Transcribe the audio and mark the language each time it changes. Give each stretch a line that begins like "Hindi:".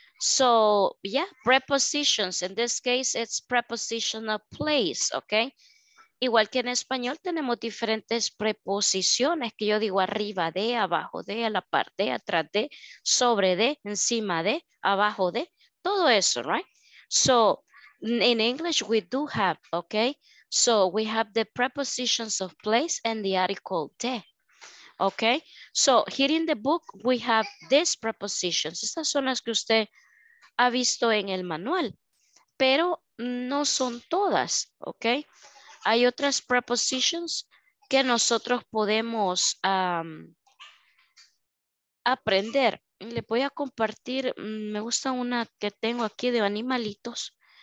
English: So, yeah, prepositions, in this case it's preposition of place, ok.
Spanish: Igual que en español tenemos diferentes preposiciones que yo digo arriba de, abajo de, a la par de, atrás de, sobre de, encima de, abajo de, todo eso, right?
English: So, in English we do have, okay? So, we have the prepositions of place and the article de, okay? So, here in the book we have these prepositions.
Spanish: Estas son las que usted ha visto en el manual, pero no son todas, okay? Hay otras prepositions que nosotros podemos aprender. Le voy a compartir, me gusta una que tengo aquí de animalitos.